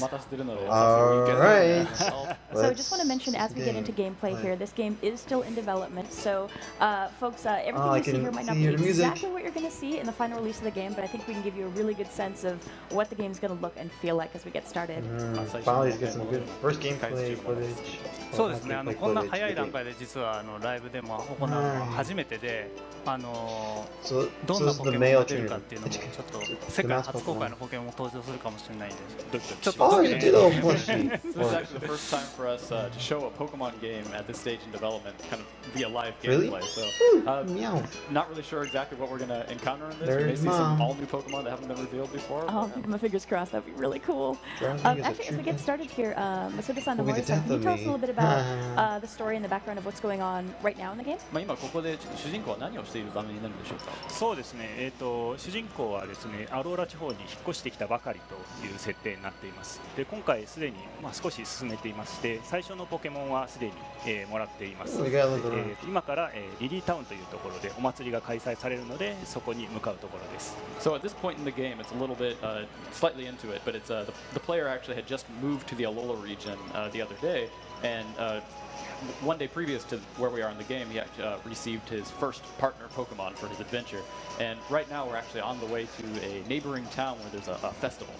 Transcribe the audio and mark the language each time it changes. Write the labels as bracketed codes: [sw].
[en] Alright. So I just want to mention, as we get into gameplay here, this game is still in development. So folks, everything you see here might not be exactly what you're going to see in the final release of the game, but I think we can give you a really good sense of what the game's going to look and feel like as we get started. Finally, get some good first gameplay footage. [ja] そうですね、こんな早い段階で実はライブでも行うのは初めてで、どんなポケモンが出るかっていうのもちょっと世界初公開のポケモンも登場するかもしれないんで、ちょっとドキドキしてる。 [en] This is actually the first time for us to show a Pokemon game at this stage in development, kind of via live gameplay. So, not really sure exactly what we're going to encounter in this. We may see some all new Pokemon that haven't been revealed before. Oh, my fingers crossed, that'd be really cool. Actually, if we get started here, Masuda-san, can you tell us a little bit about the story and the background of what's going on right now in the game? [ja] まあ今ここで主人公は何をしている場面になるんでしょうか。そうですね。主人公はですね、アローラ地方に引っ越してきたばかりという設定になっています。で、今回すでにまあ少し進めていまして、最初のポケモンはすでにもらっています。今からリリータウンというところでお祭りが開催されるので、そこに向かうところです。 [en] So at this point in the game, it's a little bit slightly into it, but it's the player actually had just moved to the Alola region the other day. And one day previous to where we are in the game, he received his first partner Pokemon for his adventure. And right now, we're actually on the way to a neighboring town where there's a festival.